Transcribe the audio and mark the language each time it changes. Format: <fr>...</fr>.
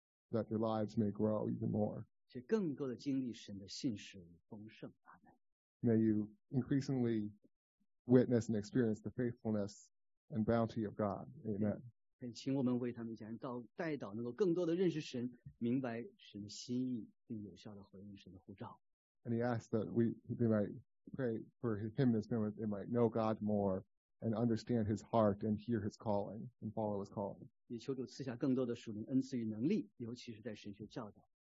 <en>That your lives may grow even more.</en> <zh>且更多的经历神的信实与丰盛。</zh> <en>Amen. May you increasingly witness and experience the faithfulness and bounty of God. Amen.</en> <zh>请我们为他们家人代祷，能够更多的认识神，明白神的心意，并有效的回应神的呼召。</zh> <en>And he asks that we might pray for him and his family that they might know God more and understand his heart and hear his calling and follow his calling.</en> <zh>也求主赐下更多的属灵恩赐与能力，尤其是在神学教导。</zh>